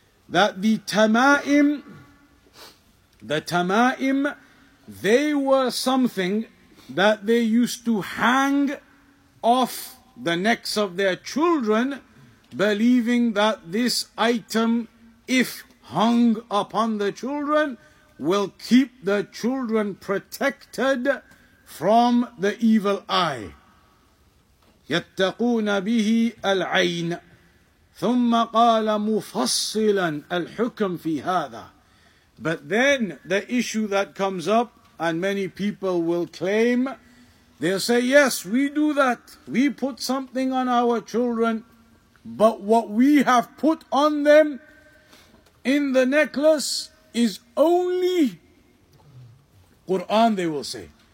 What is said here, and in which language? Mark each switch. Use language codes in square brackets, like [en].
[en] That the tamaim, they were something that they used to hang off the necks of their children, believing that this item, if hung upon the children, will keep the children protected from the evil eye. [ar] يتقون به العين. ثم قال مفصلا الحكم في هذا. [en] But then the issue that comes up, and many people will claim, they'll say, yes, we do that. We put something on our children, but what we have put on them in the necklace is only Quran, they will say.